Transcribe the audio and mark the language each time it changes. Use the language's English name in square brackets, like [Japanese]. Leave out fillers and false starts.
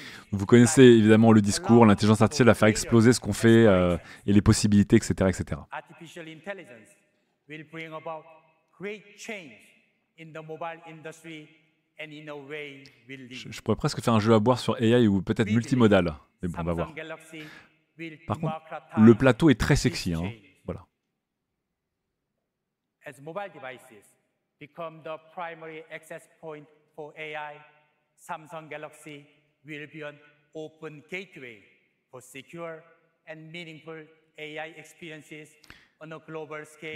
[French] Vous connaissez évidemment le discours, l'intelligence artificielle va faire exploser ce qu'on fait et les possibilités, etc. [English] Artificial intelligence will bring about great change in the mobile industry and in a way will lead. [French] Je pourrais presque faire un jeu à boire sur AI ou peut-être multimodal, mais bon, on va voir. Par contre, le plateau est très sexy, hein. Voilà. [English] As mobile devices become the primary access point for AI, Samsung Galaxy will be an open gateway for secure and meaningful AI experiences on a global scale.